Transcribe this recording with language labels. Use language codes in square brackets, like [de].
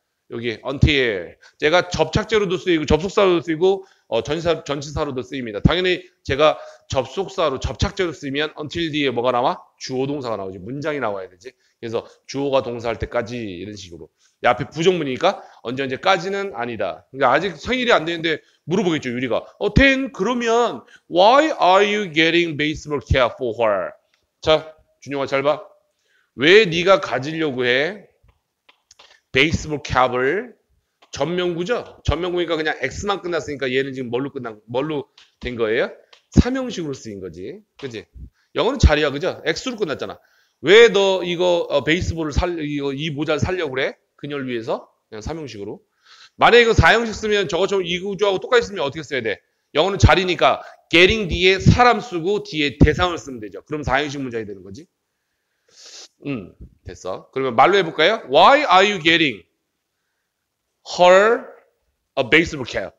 [ko] 여기 until 제가 접착제로도 쓰이고 접속사로도 쓰이고 전치사로도 쓰입니다. 당연히 제가 접속사로 접착제로 쓰면 until 뒤에 뭐가 나와? 주어 동사가 나오지. 문장이 나와야 되지. 그래서 주어가 동사할 때까지 이런 식으로. 앞에 부정문이니까 언제까지는 아니다. 그러니까 아직 생일이 안 되는데 물어보겠죠, 유리가. [en] Then [ko] 그러면 [en] why are you getting baseball cap for her? [ko] 자, 준용아 잘 봐. 왜 네가 가지려고 해? 베이스볼 캡을 전면구죠? 전면구니까 그냥 X만 끝났으니까 얘는 지금 뭘로 된 거예요? 삼형식으로 쓰인 거지. 그지? 영어는 자리야, 그죠? X로 끝났잖아. 왜너 이거 베이스볼을 살, 이거 이 모자를 살려고 그래? 그녀를 위해서? 그냥 삼형식으로. 만약에 이거 사형식 쓰면 저것처럼 이 구조하고 똑같이 쓰면 어떻게 써야 돼? 영어는 자리니까 getting 뒤에 사람 쓰고 뒤에 대상을 쓰면 되죠. 그럼 사형식 문장이 되는 거지. 됐어. 그러면 말로 해볼까요? [en] Why are you getting her a baseball cap?